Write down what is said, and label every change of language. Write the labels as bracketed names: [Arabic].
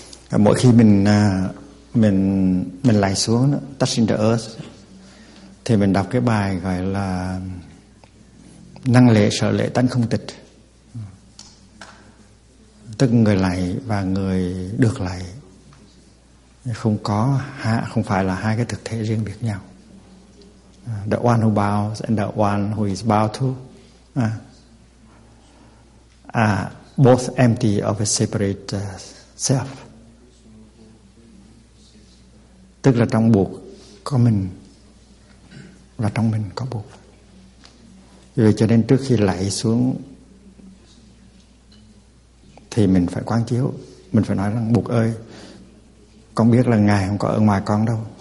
[Vietnamese] Mỗi khi mình lại xuống đó, Touching the Earth, thì mình đọc cái bài gọi là Năng lễ sở lễ tánh không tịch, tức người lại và người được lại không có không phải là hai cái thực thể riêng biệt nhau. [English] The one who bows and the one who is bowed to are both empty of a separate self. [Vietnamese] Tức là trong Bụt có mình và trong mình có Bụt. Vì cho nên trước khi lạy xuống thì mình phải quán chiếu, mình phải nói rằng Bụt ơi, con biết là Ngài không có ở ngoài con đâu.